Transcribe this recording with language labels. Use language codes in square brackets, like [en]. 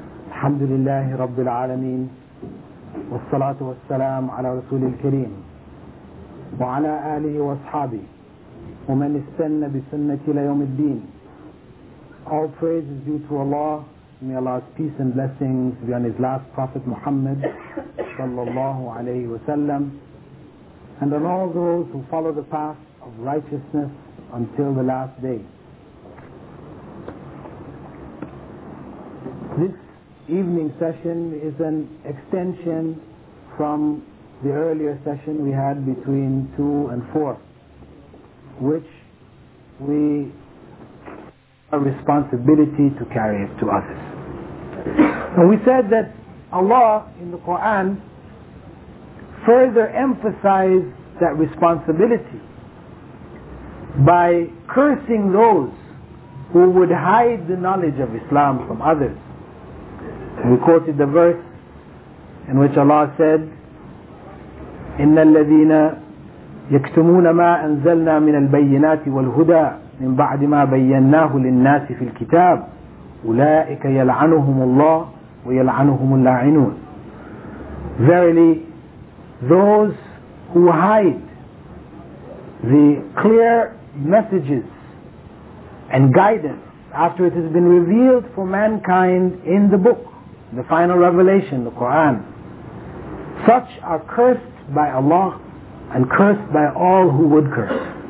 [ar] الحمد لله رب العالمين والصلاة والسلام على رسول الكريم وعلى آله وأصحابه ومن استنى بسنة ليوم الدين. [en] All praise is due to Allah. May Allah's peace and blessings be on His last Prophet Muhammad [ar] صلى الله عليه وسلم [en] and on all those who follow the path of righteousness until the last day. This evening session is an extension from the earlier session we had between 2 and 4, which we have a responsibility to carry it to others. So we said that Allah in the Quran further emphasized that responsibility by cursing those who would hide the knowledge of Islam from others. We quoted the verse in which Allah said, [ar] إِنَّ الَّذِينَ يَكْتُمُونَ مَا أَنزَلْنَا مِنَ الْبَيِّنَاتِ وَالْهُدَىٰ مِنْ بَعْدِ مَا بَيَّنَّاهُ لِلنَّاسِ فِي الْكِتَابِ أُولَٰئِكَ يَلْعَنُهُمُ اللَّهُ وَيَلْعَنُهُمُ اللَّاعِنُونَ. [en] Verily, those who hide the clear messages and guidance after it has been revealed for mankind in the book, the final revelation, the Quran, such are cursed by Allah and cursed by all who would curse.